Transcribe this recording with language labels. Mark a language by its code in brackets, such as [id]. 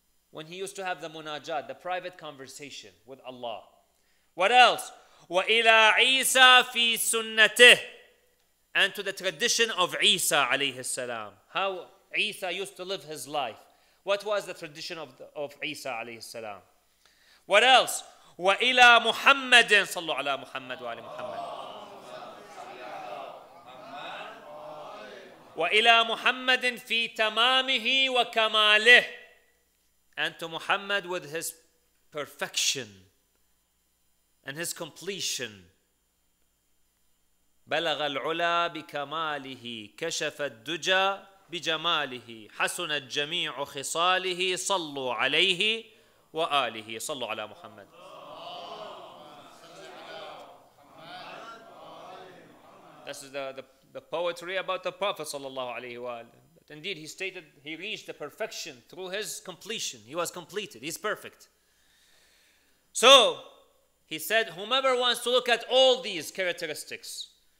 [en] When he used to have the munajat, the private conversation with Allah. What else? [ar] وَإِلَىٰ عِيسَىٰ فِي سُنَّتِهِ [en] And to the tradition of Isa, alayhi salam. How Isa used to live his life. What was the tradition of Isa, alayhi salam? What else? [ar] وَإِلَىٰ مُحَمَّدٍ صَلُّ عَلَىٰ مُحَمَّدٍ وَعَلِ مُحَمَّدٍ وَإِلَىٰ مُحَمَّدٍ فِي تَمَامِهِ وَكَمَالِهِ [en] And to Muhammad with his perfection and his completion. [ar] بلغ العلا بكماله كشف الدجا بجماله حسن الجميع خصاله صلوا عليه وآله صلوا على محمد. [en] This is the poetry about the Prophet [ar] صلى الله عليه وآله. [en] Indeed, he stated he reached the perfection through his completion. He was completed. He's perfect. So, he said, whomever wants to look at all these characteristics.